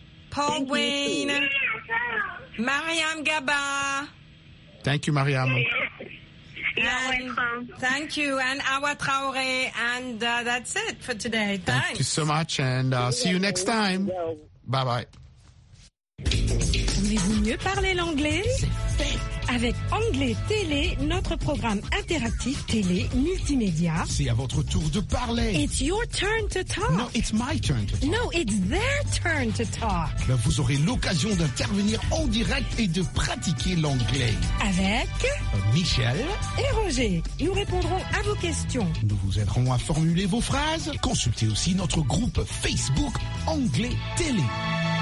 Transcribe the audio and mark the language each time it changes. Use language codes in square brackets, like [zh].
[en] Paul thank Wayne. You. Mariam Gaba. Thank you, Mariam. And thank you, and Awa Traoré, and that's it for today. Thanks. Thank you so much, and see you next time. Bye-bye. [fr] Aimez-vous mieux parler l'anglais? Avec Anglais Télé, notre programme interactif télé multimédia. C'est à votre tour de parler. [en] It's your turn to talk. No, it's my turn to talk. No, it's their turn to talk. [fr] Ben, vous aurez l'occasion d'intervenir en direct et de pratiquer l'anglais. Avec Michel et Roger. Nous répondrons à vos questions. Nous vous aiderons à formuler vos phrases. Consultez aussi notre groupe Facebook Anglais Télé.